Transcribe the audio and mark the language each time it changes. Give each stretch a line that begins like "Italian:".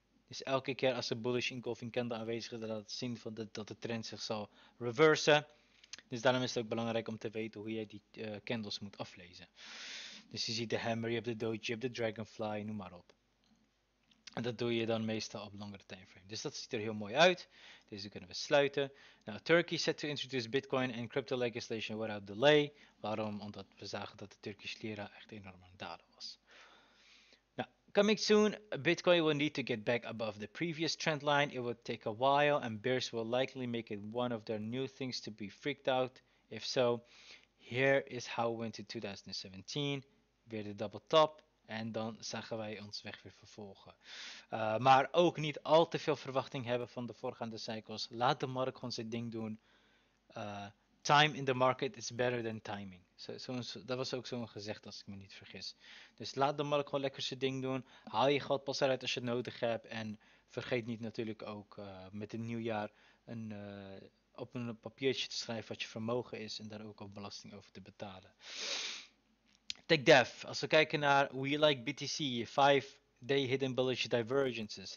Dutch: Dus elke keer als er bullish engulfing candle aanwezig is, dat laat zien van dat de trend zich zal reversen. Dus daarom is het ook belangrijk om te weten hoe jij die candles moet aflezen. Dus je ziet de hammer, je hebt de doji, je hebt de dragonfly, noem maar op. En dat doe je dan meestal op langere timeframe. Dus dat ziet er heel mooi uit. Deze kunnen we sluiten.
English: Nou, Turkey set to introduce Bitcoin and crypto legislation without delay.
Dutch: Waarom? Omdat we zagen dat de Turkish lira echt enorm aan het dalen was.
English: Nou, coming soon, Bitcoin will need to get back above the previous trend line. It will take a while and bears will likely make it one of their new things to be freaked out. If so, here is how we went to 2017.
Dutch: Weer de double top. En dan zagen wij ons weg weer vervolgen. Maar ook niet al te veel verwachting hebben van de voorgaande cycles. Laat de markt gewoon zijn ding doen.
English: Time in the market is better than timing.
Dutch: Dat was ook zo'n gezegd, als ik me niet vergis. Dus laat de markt gewoon lekker zijn ding doen. Haal je geld pas eruit als je het nodig hebt. En vergeet niet natuurlijk ook met het nieuwjaar op een papiertje te schrijven wat je vermogen is. En daar ook al belasting over te betalen. TechDev, als we kijken naar We Like BTC,
English: 5-day hidden bullish divergences.